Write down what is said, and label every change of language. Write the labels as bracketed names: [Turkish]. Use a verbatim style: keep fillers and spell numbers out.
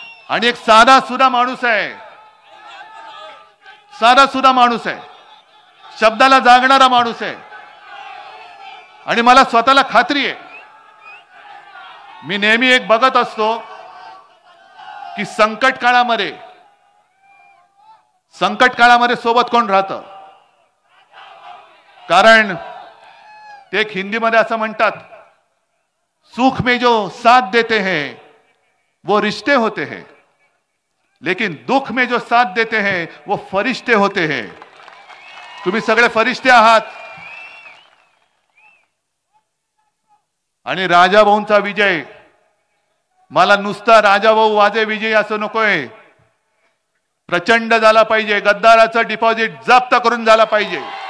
[Marathi] आणि एक साधा सुधा माणूस आहे, साधा सुधा माणूस आहे, शब्दाला जागणारा माणूस आहे. आणि मला स्वतःला खात्री आहे, मी नेहमी एक बघत असतो की संकट काळामध्ये संकट काळामध्ये सोबत कोण राहतं. कारण ते एक हिंदीमध्ये असं म्हणतात, [Hindi] सुख में जो साथ देते हैं वो रिश्ते होते हैं, लेकिन दुख में जो साथ देते हैं वो फरिश्ते होते हैं. [Marathi] तुम्ही सगळे फरिश्ते आहात. आणि राजाभाऊंचा विजय, मला नुसता राजाभाऊ वाजे विजय असं नकोय, प्रचंड झाला पाहिजे. गद्दाराचं डिपॉझिट जप्त करून झाला पाहिजे.